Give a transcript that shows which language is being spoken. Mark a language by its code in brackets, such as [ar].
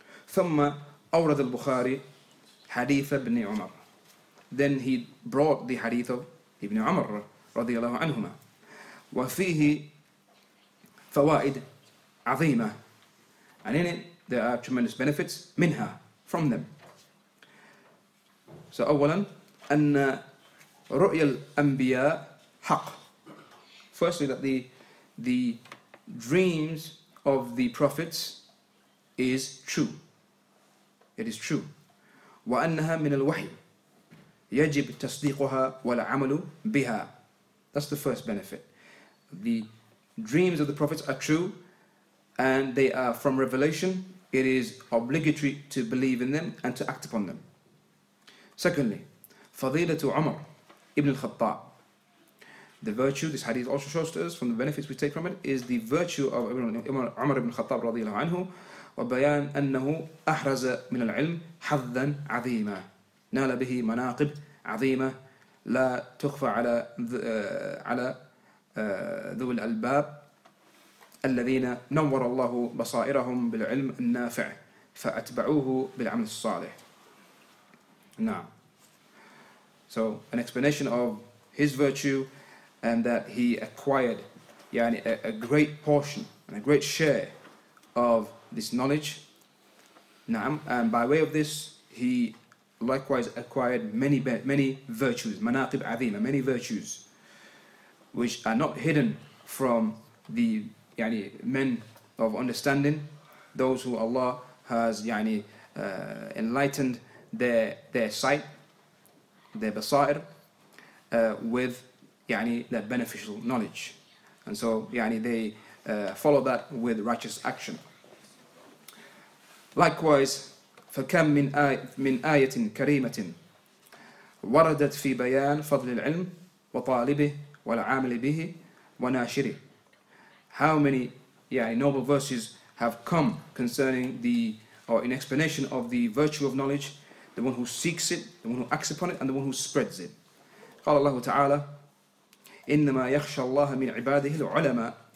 [ar] Thumma awrad al Bukhari haditha ibn Umar. [en] Then he brought the hadith of Ibn Umar radiallahu anhuma. [ar] Wa fihi fawaid azima. [en] And in it, there are tremendous benefits [ar] منها, [en] from them. [ar] So, أولا, أن رؤيا الأنبياء حق. [en] Firstly, that the dreams of the prophets is true. It is true. [ar] وأنها من الوحي يجب تصديقها والعمل بها. [en] That's the first benefit. The dreams of the prophets are true, and they are from revelation. It is obligatory to believe in them and to act upon them. Secondly, [ar] فضيلة عمر ابن الخطاب. [en] The virtue, this hadith also shows to us from the benefits we take from it, is the virtue of [ar] عمر ابن الخطاب رضي الله عنه وبيان أنه أحرز من العلم حظا عظيما نال به مناقب عظيمة لا تخفى على ذوي الألباب الذين نور الله بصائرهم بالعلم النافع فأتبعوه بالعمل الصالح. [en] Now, so an explanation of his virtue, and that he acquired يعني, a great portion and a great share of this knowledge. Now, and by way of this, he likewise acquired many virtues, [ar] manaqib azima, [en] many virtues which are not hidden from the يعني men of understanding, those who Allah has يعني enlightened their sight, their basair with يعني, their beneficial knowledge. And so يعني, they follow that with righteous action. [ar] Likewise, فَكَمْ مِنْ آيَةٍ كَرِيمَةٍ وَرَدَتْ فِي بَيَانٍ فَضْلِ الْعِلْمِ وَطَالِبِهِ وَالْعَامِلِ بِهِ وَنَاشِرِهِ. [en] How many yeah, noble verses have come concerning the, or in explanation of the virtue of knowledge, the one who seeks it, the one who acts upon it, and the one who spreads it. [ar] قال الله تعالى إِنَّمَا يَخْشَى اللَّهَ مِنْ عِبَادِهِ الْعُلَمَى.